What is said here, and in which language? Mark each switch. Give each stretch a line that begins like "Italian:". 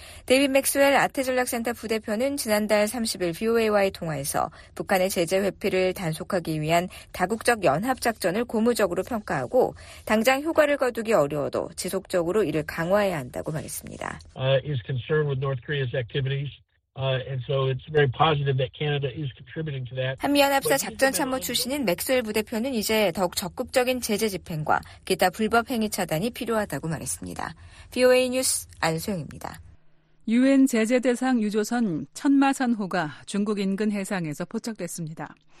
Korean: 데이빗 맥스웰 아태전략센터 부대표는 지난달 30일 VOA와의 통화에서 북한의 제재 회피 를 단속하기 위한 다국적 연합 작전을 고무적으로 평가하고 당장 효과를 거두기 어려워도 지속적으로 이를 강화해야 한다고 말했습니다.
English: Is concerned with North Korea's activities. And so it's very positive that Canada is contributing to that.
Korean: 한미연합사 작전참모 출신인 맥스웰 부대표는 이제 더욱 적극적인 제재 집행과 기타 불법 행위 차단이 필요하다고 말했습니다. VOA 뉴스 안소영입니다. 유엔 제재 대상 유조선 천마산호가 중국 인근 해상에서 포착됐습니다.